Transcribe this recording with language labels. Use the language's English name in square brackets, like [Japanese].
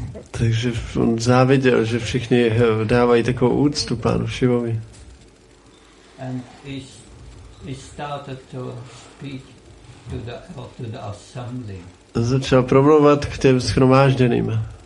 [Czech] Takže on záviděl, že všichni dávají takovou úctu pánu Šivovi. [English] And he started to speak to the assembly. [Czech] Začal promluvat k těm shromážděným.